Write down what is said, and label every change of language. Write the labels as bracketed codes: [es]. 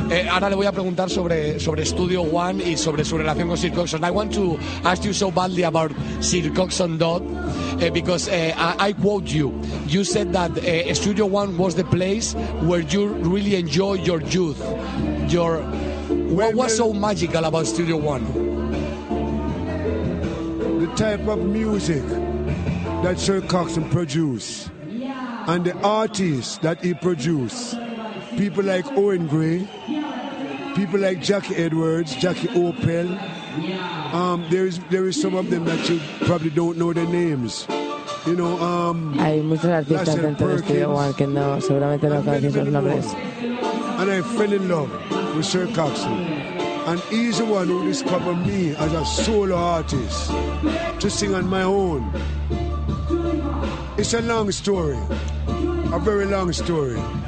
[es] Ahora le voy a preguntar sobre Studio One y sobre su relación con Sir Coxon. [en] I want to ask you so badly about Sir Coxon Dodd, because I quote you. You said that Studio One was the place where you really enjoy your youth. Your what was so magical about Studio One? The type of music that Sir Coxon produced. And the artists that he produced, people like Owen Gray, people like Jackie Edwards, Jackie Opel, there is some of them that you probably don't know their names. You know, [es] hay muchos artistas Lassell dentro Perkins, de Studio One que no, seguramente no conocen sus nombres. [en] And I fell in love with Sir Coxon. And he's the one who discovered me as a solo artist to sing on my own. It's a long story, a very long story.